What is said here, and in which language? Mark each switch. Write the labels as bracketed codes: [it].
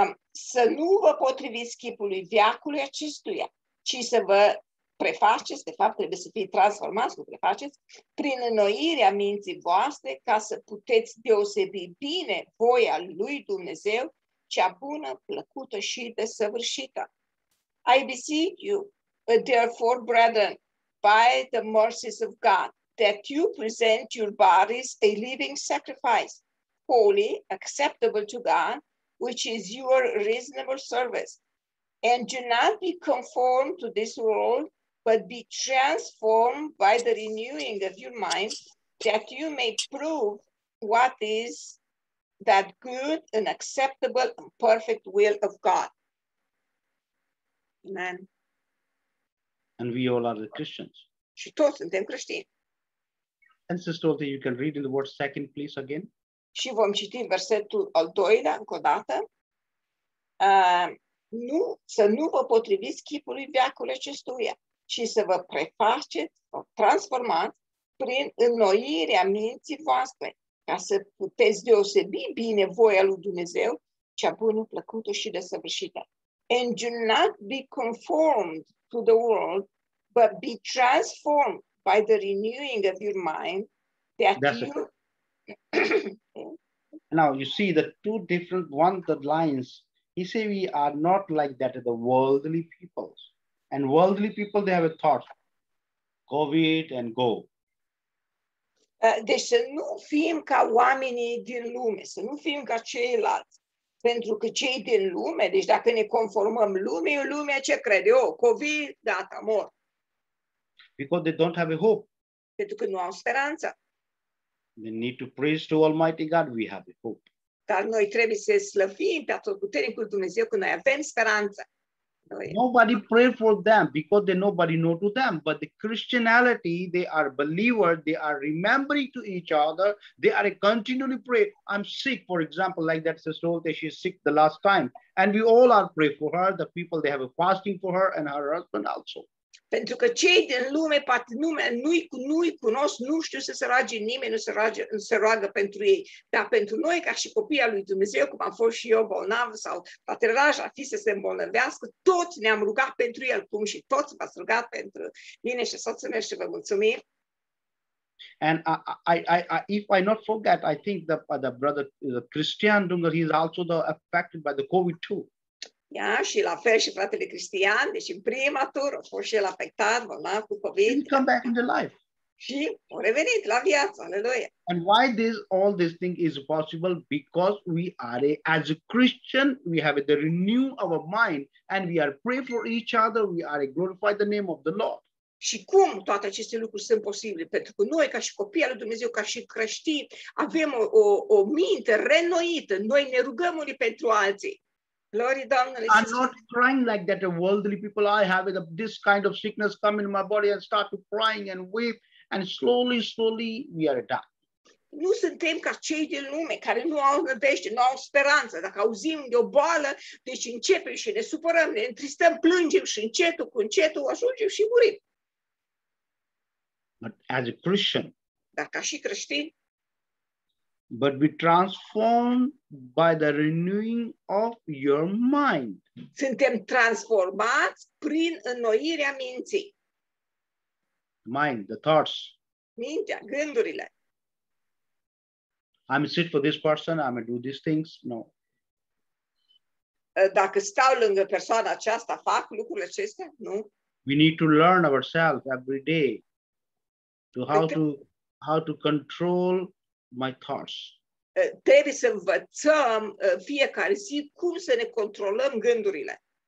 [ro] Să nu vă potriviți chipului veacului acestuia, ci să vă prefaceți, de fapt trebuie să fii transformați, vă prefaceți, prin înnoirea minții voastre, ca să puteți deosebi bine voia lui Dumnezeu, cea bună, plăcută și desăvârșită. [en] I beseech you, therefore, brethren, by the mercies of God, that you present your bodies a living sacrifice, holy, acceptable to God, which is your reasonable service. And do not be conformed to this world, but be transformed by the renewing of your mind, that you may prove what is that good and acceptable and perfect will of God. Amen. And we all are the Christians. [ro] Și toți suntem creștini. [en] And Sister Olte, you can read in the word second, please, again. [ro] Și vom citi versetul al doilea încă o dată. Nu, să nu vă potriviți chipului veacului acestuia, ci să vă prefaceți, transformați prin înnoirea minții voastre, ca să puteți deosebi bine voia lui Dumnezeu, cea bună, plăcută și desăvârșită. [en] And do not be conformed to the world, but be transformed by the renewing of your mind, that you... Now, you see the two different ones, the lines. He say we are not like that of the worldly peoples. And worldly people, they have a thought. COVID and go. [ro] Deci să nu fim ca oamenii din lume, să nu fim ca ceilalți. Pentru că cei din lume, deci dacă ne conformăm lumii, lumea ce crede? Oh, COVID, data, mor. [en] Because they don't have a hope. [ro] Pentru că nu au speranță. [en] We need to praise to Almighty God, we have a hope. [ro] Dar noi trebuie să slăvim pe Atotputernicul Dumnezeu că noi avem speranță. Noi. [en] Nobody pray for them because they nobody know to them. But the Christianity, they are believers, they are remembering to each other. They are continually pray. I'm sick, for example, like that sister Olte, she's sick the last time. And we all are pray for her, the people, they have a fasting for her and her husband also. [ro] Pentru că cei din lume, poate nu-i cunosc, nu știu să se roage nimeni, nu se roage, se roagă pentru ei. Dar pentru noi, ca și copii al lui Dumnezeu, cum am fost și eu bolnav sau poate rași ar fi să se îmbolnăvească, tot ne-am rugat pentru el, cum și toți v-ați rugat pentru mine și soțul meu și vă mulțumim. [en] And I if I not forget, I think the brother the Christian Dungar, he's also affected by the COVID too. [ro] Ia, și la fel și fratele Cristian, deci în prima tur a fost și el afectat, bolnav cu COVID. [en] He'll come back into life. [ro] Și a revenit la viață, aleluia. [en] And why all this thing is possible? Because we are, as a Christian, we have the renew of our mind and we are pray for each other, we are glorify the name of the Lord. [ro] Și cum toate aceste lucruri sunt posibile? Pentru că noi, ca și copii al lui Dumnezeu, ca și creștini, avem o minte renoită. Noi ne rugăm unii pentru alții. [en] Glory, I'm not crying like that the worldly people I have this kind of sickness come in my body and start to crying and weep and slowly we are done. [ro] Nu suntem ca cei din lume care nu au nădejde, nu au speranță. Dacă auzim de o boală, deci începem și ne supărăm, ne întristăm, plângem și încetul cu încetul ajungem și murim. [en] But as a Christian, [ro] dar ca și creștin, [en] but be transformed by the renewing of your mind. [ro] Suntem transformați prin înnoirea minții. [en] Mind, the thoughts. [ro] Mintea, gândurile. [en] I'm sit for this person, I'm do these things. No. [ro] Dacă stau lângă persoana aceasta, fac lucrurile acestea? Nu. [en] We need to learn ourselves every day to how to control my thoughts. [ro] Trebuie să învățăm fiecare zi cum să ne controlăm gândurile.